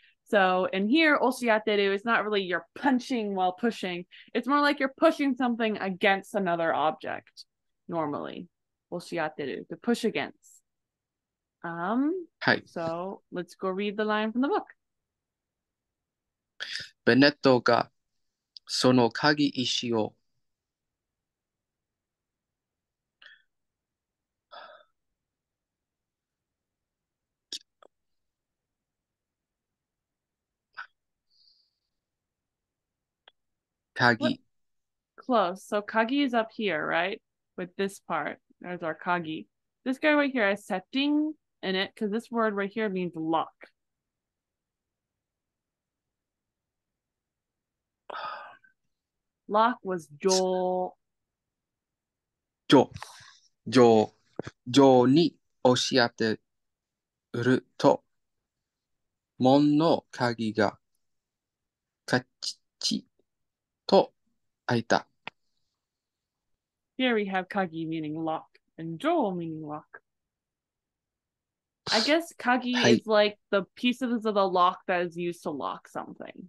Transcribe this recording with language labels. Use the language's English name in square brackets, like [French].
[English] So in here, oshiateru is not really you're punching while pushing. It's more like you're pushing something against another object, normally. Oshiateru, to push against. Hi. So let's go read the line from the book. [Japanese] ベネットがその鍵石を鍵。 [English] Close. So kagi is up here, right? With this part, there's our kagi. This guy right here has setting in it because this word right here means lock. Lock was jo. [Japanese] じょうに押し当てると、門の鍵がカチチと開いた。 [English] Here we have kagi meaning lock and jo meaning lock. I guess kagi [Japanese] はい。 [English] is like the pieces of the lock that is used to lock something.